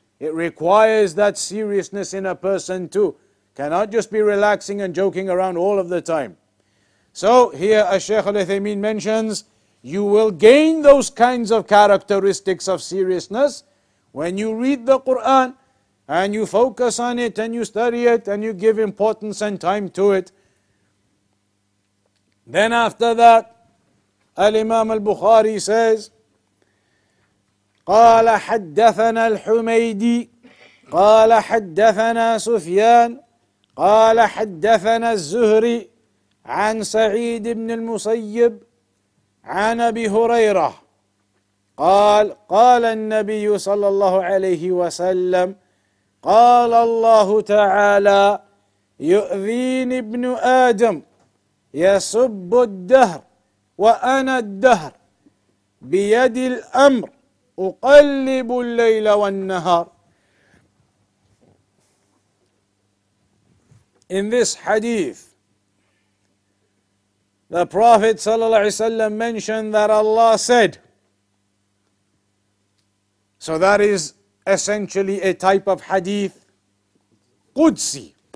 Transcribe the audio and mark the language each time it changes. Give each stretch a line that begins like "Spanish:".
English: It requires that seriousness in a person too. Cannot just be relaxing and joking around all of the time. So here Ash-Shaykh al-Uthaymeen mentions, you will gain those kinds of characteristics of seriousness when you read the Quran and you focus on it and you study it and you give importance and time to it. Then after that, Al-Imam al-Bukhari says,
Arabic: قال حدثنا الحميدي قال حدثنا سفيان قال حدثنا الزهري عن سعيد بن المسيب عن أبي هريرة قال قال النبي صلى الله عليه وسلم قال الله تعالى يؤذين ابن آدم يسب الدهر وأنا الدهر بيد الأمر أقلب الليل والنهار.
English: In this hadith, the Prophet sallallahu alaihi wasallam mentioned that Allah said, so that is essentially a type of hadith Qudsi.